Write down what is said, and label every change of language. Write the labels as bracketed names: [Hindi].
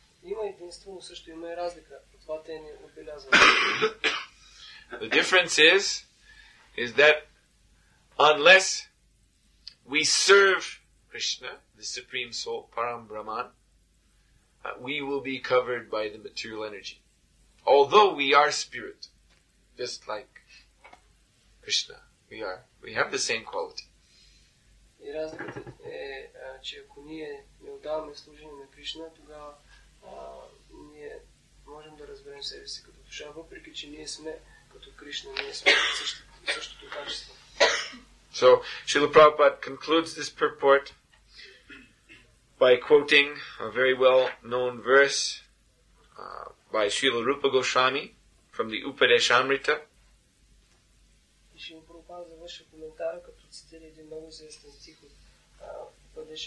[Bulgarian] Има единство, но също има и разлика. Това те не отбелязва. [English] The difference is that unless we serve Krishna, the Supreme Soul, Param Brahman, we will be covered by the material energy. Although we are spirit, just like Krishna, we have the same quality. [Bulgarian] И разликата е, че ако ние не отдаваме служение на Кришна, тогава ние можем да разберем себе си като душа, въпреки че ние сме като Кришна, ние сме същото качество. [English] So, Srila Prabhupada concludes this purport by quoting a very well-known verse by Srila Rupa Goswami from the Upadeshamrita. [Bulgarian] И Srila Prabhupada завърши коментара, като цитира един много известен стих от